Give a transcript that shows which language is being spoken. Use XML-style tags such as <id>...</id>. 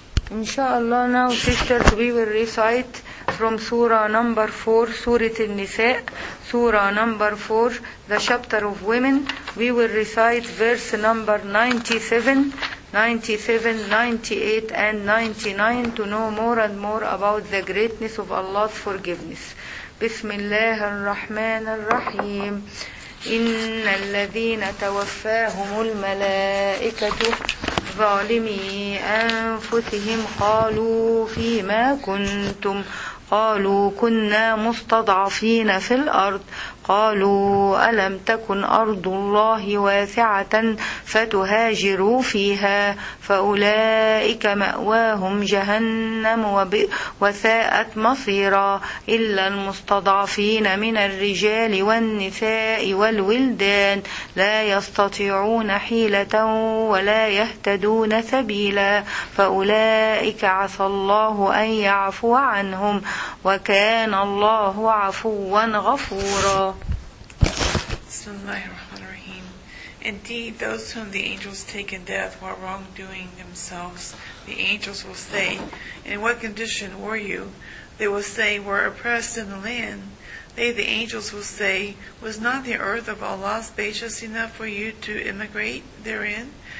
<en>Inshallah, now sisters, we will recite from Surah number 4, Surah An-Nisa, Surah number 4, the chapter of women. We will recite verse number 97, 98, and 99 to know more and more about the greatness of Allah's forgiveness.</en> <ar>Bismillah ar-Rahman ar-Rahim. إن الذين توفاهم الملائكة ظالمي أنفسهم قالوا فيما كنتم قالوا كنا مستضعفين في الأرض قالوا ألم تكن أرض الله واسعة فتهاجروا فيها فأولئك مأواهم جهنم وساءت مصيرا إلا المستضعفين من الرجال والنساء والولدان لا يستطيعون حيلة ولا يهتدون سبيلا فأولئك عسى الله أن يعفو عنهم وكان الله عفوا غفورا. Bismillah ar-Rahman ar-Rahim.</ar> <en>Indeed, those whom the angels take in death while wrongdoing themselves, the angels will say, in what condition were you? They will say, were oppressed in the land. They, the angels, will say, was not the earth of Allah spacious enough for you to immigrate therein?</en>